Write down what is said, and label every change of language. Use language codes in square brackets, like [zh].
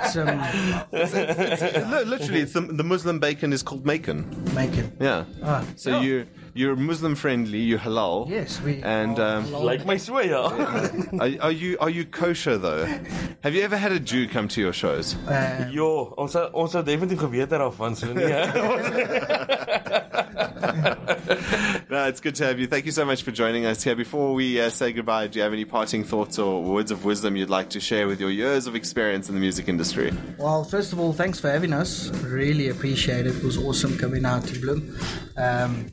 [en] the Muslim bacon is called Macon. Macon. Yeah. You're Muslim friendly, you're halal. Yes, we and halal. Like my swear. are you kosher though? Have you ever had a Jew come to your shows? [af] Ons het definitief geweet daarvan, so nie. [en] No, it's good to have you. Thank you so much for joining us here. Before we say goodbye, do you have any parting thoughts or words of wisdom you'd like to share with your years of experience in the music industry? Well, first of all, thanks for having us. Really appreciate it. It was awesome coming out to Bloem.